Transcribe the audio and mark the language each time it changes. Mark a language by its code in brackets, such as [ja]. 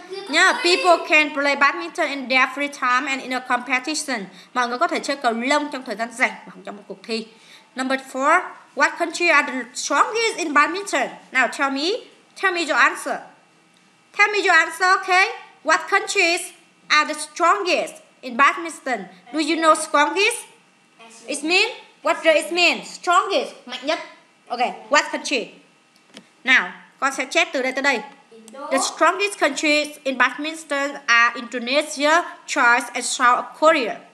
[en] Yeah, people can play badminton in their free time and in a competition. [vi] Mọi người có thể chơi cầu lông trong thời gian rảnh hoặc trong một cuộc thi. [en] Number 4, what country are the strongest in badminton? Now tell me your answer. Tell me your answer, okay? What countries are the strongest in badminton? Do you know strongest? It mean? What does it mean? Strongest, [vi] mạnh nhất. [en] Okay, what country? [vi] Now con sẽ chép từ đây tới đây. [en] The strongest countries in badminton are Indonesia, China, and South Korea.